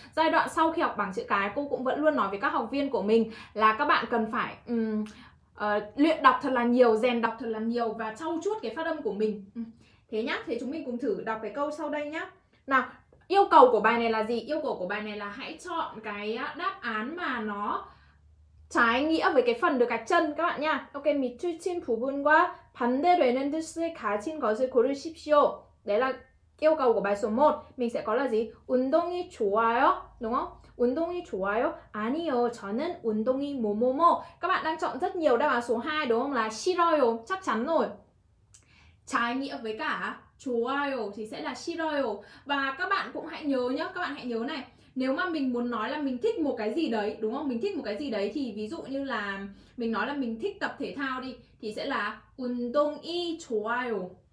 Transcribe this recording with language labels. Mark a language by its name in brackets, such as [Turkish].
[Vietnamese] Giai đoạn sau khi học bảng chữ cái, cô cũng vẫn luôn nói với các học viên của mình là các bạn cần phải luyện đọc thật là nhiều, rèn đọc thật là nhiều và trau chuốt cái phát âm của mình. Thế nhá, thế chúng mình cùng thử đọc cái câu sau đây nhá. Nào, yêu cầu của bài này là gì? Yêu cầu của bài này là hãy chọn cái đáp án mà nó trái nghĩa với cái phần được gạch chân các bạn nha. [Korean] Ok, 미추친 부분과 반대되는 뜻을 가진 것을 고르십시오. [Vietnamese] Đấy là yêu cầu của bài số 1. Mình sẽ có là gì? [Korean] 운동이 좋아요? [Vietnamese] Đúng không? 운동이 좋아요? [Korean] 아니요, 저는 운동이 뭐뭐뭐. [Vietnamese] Các bạn đang chọn rất nhiều đáp án số 2 đúng không? Là 싫어요, chắc chắn rồi. Trái nghĩa với cả 좋아요 thì sẽ là 싫어요. Và các bạn cũng hãy nhớ nhé, các bạn hãy nhớ này, nếu mà mình muốn nói là mình thích một cái gì đấy, đúng không? Mình thích một cái gì đấy thì ví dụ như là mình nói là mình thích tập thể thao đi thì sẽ là [Korean] 운동이 좋아요.